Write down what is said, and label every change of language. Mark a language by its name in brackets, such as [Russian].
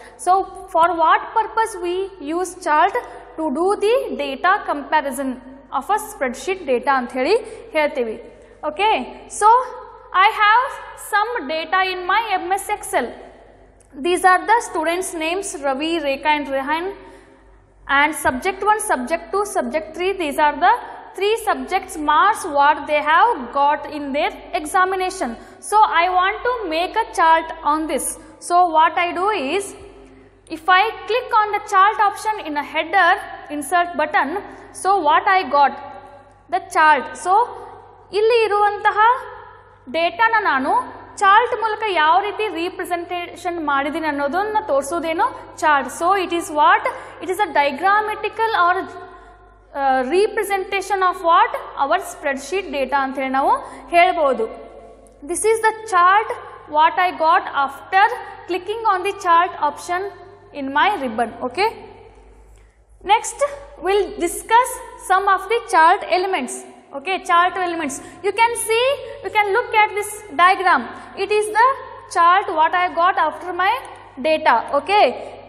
[English] So for what purpose we use chart? To do the data comparison of a spreadsheet data [Kannada] ಅಂತ ಹೇಳಿ ಹೇಳ್ತೀವಿ. [English] Okay, so I have some data in my MS Excel. These are the students names Ravi, Rekha and Rehan. And subject 1, subject 2, subject 3, these are the 3 subjects marks what they have got in their examination. So, I want to make a chart on this. So, what I do is, if I click on the chart option in a header, insert button, so what I got? The chart. [Kannada] So, illi iruvantaha data na nanu chart ಮೂಲಕ ಯಾವ ರೀತಿ representation ಮಾಡಿದ್ದೀನಿ ಅನ್ನೋದನ್ನು ತೋರಿಸೋದೇನು chart. [English] So it is what? It is a diagrammatical or representation of what? Our spreadsheet data [Kannada] ಅಂತ ಹೇಳಿ ನಾವು ಹೇಳ್ಬೋದು. [English] This is the chart what I got after clicking on the chart option in my ribbon. Okay. Next, we'll discuss some of the chart elements. Okay, chart elements. You can see, you can look at this diagram. It is the chart what I got after my data. Okay.